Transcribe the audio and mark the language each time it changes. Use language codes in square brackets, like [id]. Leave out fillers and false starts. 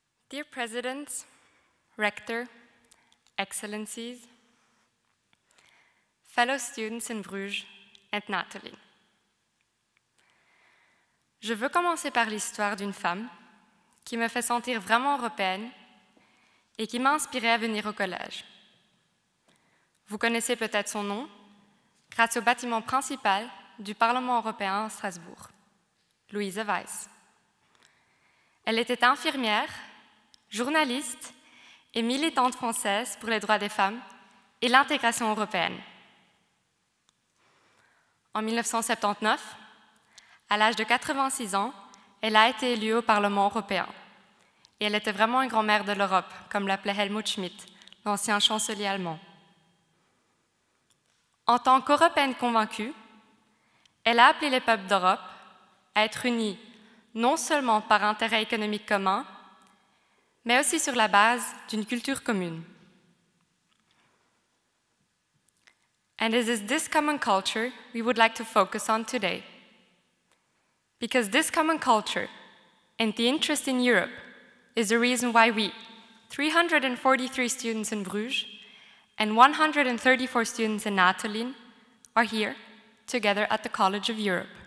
[en] Dear President, Rector, Excellencies, fellow students in Bruges and Natalie. [fr] Je veux commencer par l'histoire d'une femme qui me fait sentir vraiment européenne et qui m'a inspirée à venir au collège. Vous connaissez peut-être son nom grâce au bâtiment principal du Parlement européen à Strasbourg, Louise Weiss. Elle était infirmière, journaliste et militante française pour les droits des femmes et l'intégration européenne. En 1979, à l'âge de 86 ans, elle a été élue au Parlement européen. Et elle était vraiment une grand-mère de l'Europe, comme l'appelait Helmut Schmidt, l'ancien chancelier allemand. En tant qu'européenne convaincue, elle a appelé les peuples d'Europe à être unis non seulement par intérêts économiques communs, mais aussi sur la base d'une culture commune. [en] And it is this common culture we would like to focus on today. Because this common culture and the interest in Europe is the reason why we, 343 students in Bruges and 134 students in Natelin, are here together at the College of Europe.